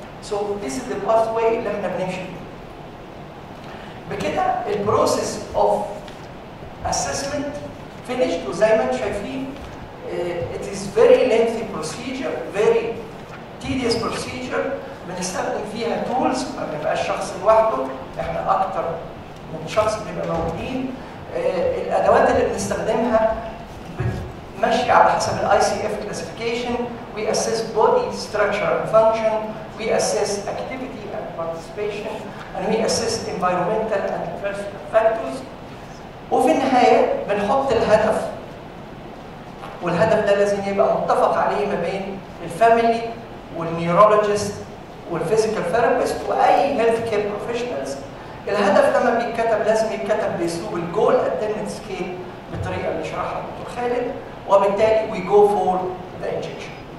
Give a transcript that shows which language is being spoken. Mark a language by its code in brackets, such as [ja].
[en] So this is the pathway [ar] اللي احنا بنمشي فيه. [en] بكده البروسيس of assessment finished, وزي ما انتم شايفين it is very lengthy procedure, very tedious procedure. [ar] بنستخدم فيها tools، ما بنبقاش شخص لوحده، احنا اكتر من شخص بنبقى موجودين. الادوات اللي بنستخدمها ماشي على حسب الـ ICF classification. [en] We assess body structure and function. We assess activity and participation. And we assess environmental and personal factors. [ar] وفي النهاية بنحط الهدف، والهدف ده لازم يبقى متفق عليه ما بين الفاميلي والنيورولوجيست والفيزيكال ثيرابيست وأي هيلث كير بروفيشنالز. الهدف لما بيتكتب لازم يتكتب بأسلوب الجول أتمت سكيل بالطريقة اللي شرحها الدكتور خالد. وبالتالي [en] we go for the injection.